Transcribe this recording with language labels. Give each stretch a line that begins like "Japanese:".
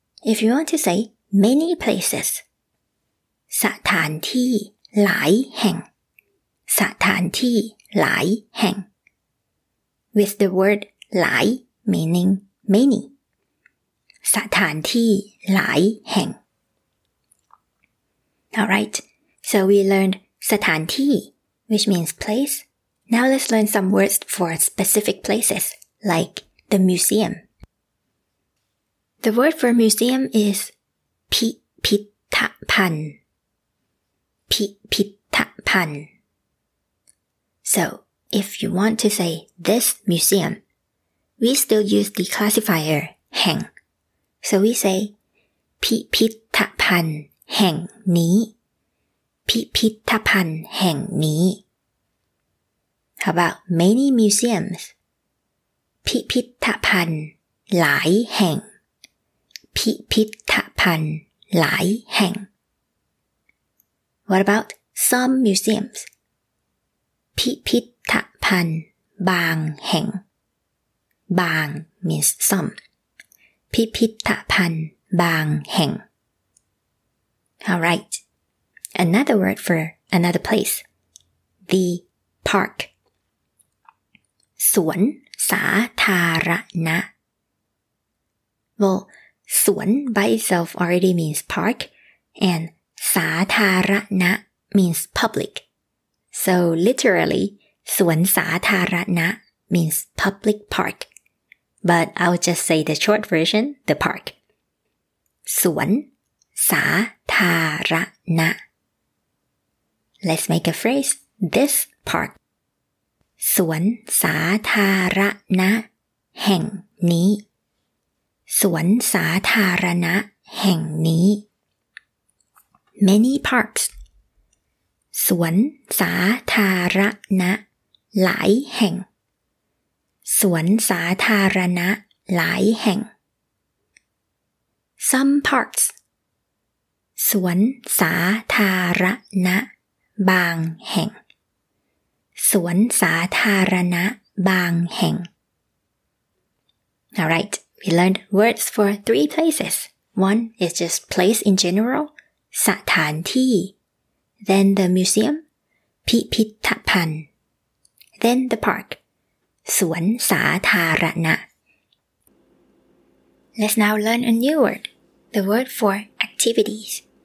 English: If you want to say many places,
Thai: สถานที่หลายแห่งสถานที่หลายแห่ง
English: With the word หลาย meaning many, สถานที่หลายแห่งAlright, so we learned สถานที่ which means place. Now let's learn some words for specific places, like the museum. The word for museum is พิพิธภัณฑ์ So, if you want to say this museum, we still use the classifier แห่ง So we say
Thai: พิพิธภัณฑ์แห่งนี้พิพิธภัณฑ์แห่งนี้
English: How about many museums?
Thai: พิพิธภัณฑ์หลายแห่งพิพิธภัณฑ์หลายแห่ง
English: What about some museums?
Thai: พิพิธภัณฑ์บางแห่งบาง
English: means some
Thai: พิพิธภัณฑ์บางแห่ง
English: Alright, another word for another place, the park สวนสาธารณะ Well, สวน by itself already means park and สาธารณะ means public. So literally, สวนสาธารณะ means public park. But I'll just say the short version, the park. สวนสาธารณะ Let's make a phrase, this park.
Thai: สวนสาธารณะแห่งนี้สวนสาธารณะแห่งนี้
English: many parks
Thai: สวนสาธารณะหลายแห่งสวนสาธารณะหลายแห่ง
English: some parks
Thai: สวนสาธารณะบางแห่งสวนสาธารณะบางแห่ง
English: Alright, we learned words for three places. One is just place in general, สถานที่ Then the museum, พิพิธภัณฑ์ Then the park, สวนสาธารณะ Let's now learn a new word, the word for activities.